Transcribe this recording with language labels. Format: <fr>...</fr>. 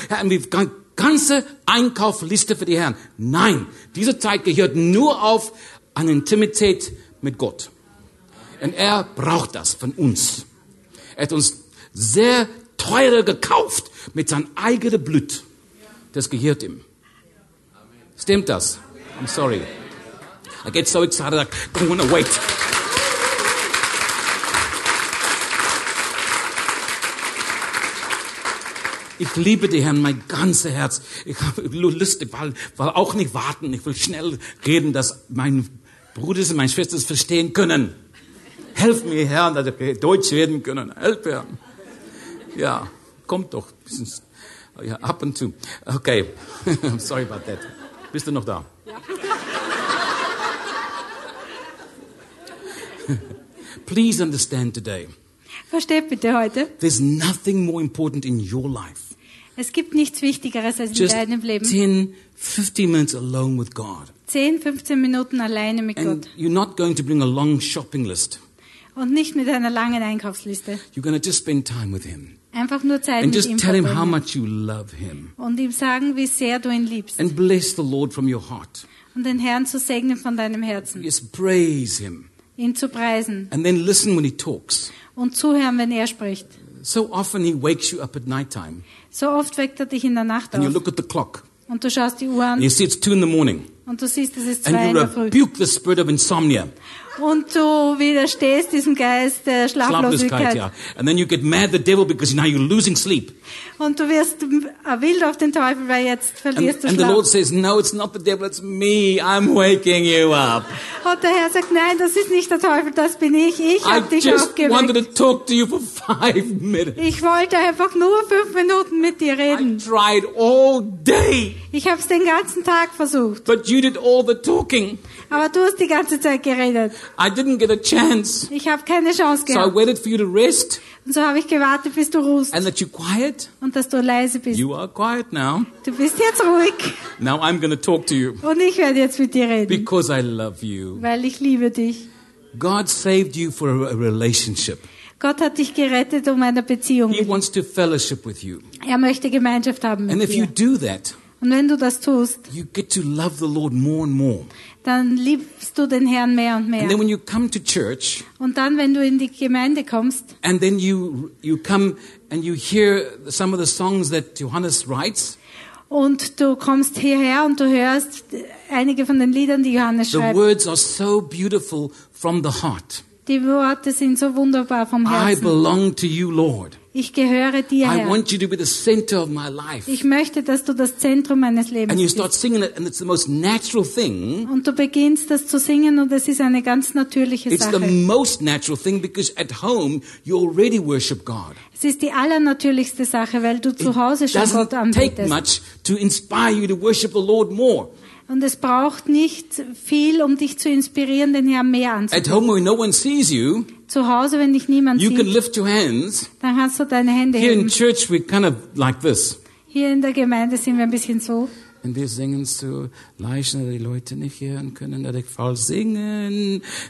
<de>Herr, und wir haben ganze Einkaufsliste für die Herren. Nein, diese Zeit gehört nur auf an Intimität mit Gott. Und er braucht das von uns. Er hat uns sehr teuer gekauft mit seinem eigenen Blut. Das gehört ihm. Stimmt das?</de> <en>I'm sorry. I get so excited, I don't want to wait.</en> <de>Ich liebe den Herrn, mein ganzes Herz. Ich habe Lust, weil auch nicht warten. Ich will schnell reden, dass meine Brüder und meine Schwestern verstehen können. Helf mir, Herr, dass wir Deutsch reden können. Helf mir. Ja, kommt doch. Ja, ab und zu.</de> <en>Okay, sorry about that.</en> <de>Bist du noch da? Ja.</de> <en>Please understand today.</en> <de>Versteht bitte heute.</de> <en>There's nothing more important in your life.</en> <de>Es gibt nichts Wichtigeres als</de> <en>just</en> <de>in deinem Leben.</de> <en>Just 10, 15 minutes alone with God.</en> <de>10, 15 Minuten alleine mit</de> <en>and</en> <de>Gott.</de> <en>And you're not going to bring a long shopping list.</en> <de>Und nicht mit einer langen Einkaufsliste.</de> <en>You're going to just spend time with him.</en> <de>Einfach nur Zeit</de> <en>and</en> <de>mit</de> <en>just</en> <de>ihm</de> <en>tell him how much you love him.</en> <de>Und ihm sagen, wie sehr du ihn liebst.</de> <en>And bless the Lord from your heart.</en> <de>Und den Herrn zu segnen von deinem Herzen.</de> <en>Just praise him.</en> <de>Ihn zu preisen.</de> <en>And then listen when he talks.</en> <de>Und zuhören, wenn er spricht.</de> <en>So often he wakes you up at nighttime.</en> <de>So oft weckt er dich in der Nacht auf.</de> <en>And you look at the clock.</en> <de>Und du schaust die Uhr an.</de> <en>And you see it's 2 in the morning.</en> <de>Und du siehst, es ist 2 in der Früh.</de> <en>And you rebuke the spirit of insomnia.</en> <de>Und du widerstehst diesem Geist der Schlaflosigkeit. Ja.</de> <en>And then you get mad at the devil because now you're losing sleep.</en> <de>Und du wirst wild auf den Teufel, weil jetzt verlierst</de> <en>and,</en> <de>du Schlaf.</de> <en>And the Lord says, no, it's not the devil, it's me. I'm waking you up.</en> <de>Und der Herr sagt, nein, das ist nicht der Teufel, das bin ich. Ich habe dich aufgeweckt.</de> <en>I just wanted to talk to you for 5 minutes.</en> <de>Ich wollte einfach nur 5 Minuten mit dir reden.</de> <en>I tried all day.</en> <de>Ich habe es den ganzen Tag versucht.</de> <en>But you did all the talking.</en> <de>Aber du hast die ganze Zeit geredet.</de> <en>I didn't get a chance.</en> <de>Ich habe keine Chance gehabt.</de> <en>So I waited for you to rest.</en> <de>Und so habe ich gewartet, bis du ruhst.</de> <en>And that you're quiet.</en> <de>Und dass du leise bist.</de> <en>You are quiet now.</en> <de>Du bist jetzt ruhig.</de> <en>Now I'm going to talk to you.</en> <de>Und ich werde jetzt mit dir reden.</de> <en>Because I love you.</en> <de>Weil ich liebe dich.</de> <en>God saved you for a relationship.</en> <de>Gott hat dich gerettet um eine Beziehung.</de> <en>He wants to fellowship with you.</en> <de>Er möchte Gemeinschaft haben mit dir.</de> <en>And if you do that,</en> <de>Und wenn du das tust,</de> <en>you get to love the Lord more and more.</en> <de>Dann liebst du den Herrn mehr und mehr.</de> <en>And then when you come to church,</en> <de>und dann wenn du in die Gemeinde kommst,</de> <en>and then you come and you hear some of the songs that Johannes writes,</en> <de>und du kommst hierher und du hörst einige von den Liedern, die Johannes schreibt.</de> <en>The words are so beautiful from the heart.</en> <de>Die Worte sind so wunderbar vom Herzen.</de> <en>I belong to you, Lord.</en> <de>Ich gehöre dir, Herr.</de> <en>I want you to be the center of my life.</en> <de>Ich möchte, dass du das Zentrum meines Lebens bist.</de> <en>And you start singing it, and it's the most natural thing.</en> <de>Und du beginnst das zu singen und es ist eine ganz natürliche Sache.</de> <en>It's the most natural thing because at home you already worship God.</en> <de>Es ist die allernatürlichste Sache, weil du zu Hause schon Gott anbetest.</de> <en>It doesn't take much to inspire you to worship the Lord more.</en> <de>Und es braucht nicht viel, um dich zu inspirieren, den Herrn mehr anzubeten.</de> <en>At home, when no one sees you,</en> <de>zu Hause, wenn dich niemand</de> <en>you</en> <de>sieht,</de> <en>can lift your hands.</en> <de>Dann kannst du deine Hände</de> <en>Here</en> <de>heben.</de> <en>In church, we're kind of like this.</en> <de>Hier in der Gemeinde sind wir ein bisschen so. Und wir singen so leise, dass die Leute nicht hören können, dass ich falsch singen.</de>